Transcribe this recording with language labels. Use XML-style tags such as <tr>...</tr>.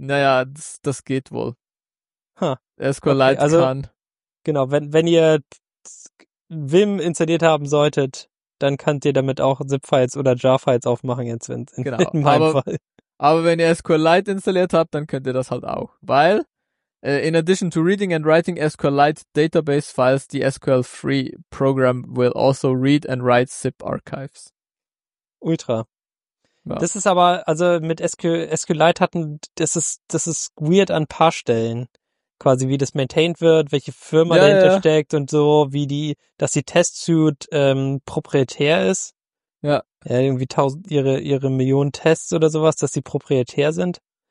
<de>Naja, das geht wohl. Huh. SQLite okay, also, kann. Genau, wenn ihr Vim installiert haben solltet, dann könnt ihr damit auch Zip-Files oder Jar-Files aufmachen jetzt in meinem Fall. Aber wenn ihr SQLite installiert habt, dann könnt ihr das halt auch. Weil</de> <en>in addition to reading and writing SQLite database files, the SQL-free program will also read and write zip archives.</en> <de>Ultra. Ja. Das ist aber, also mit SQLite hatten, das ist weird an ein paar Stellen. Quasi, wie das maintained wird, welche Firma dahinter steckt und so, wie die, dass die Testsuite proprietär ist. Ja. Ja, irgendwie ihre Millionen Tests oder sowas, dass sie proprietär sind.</de>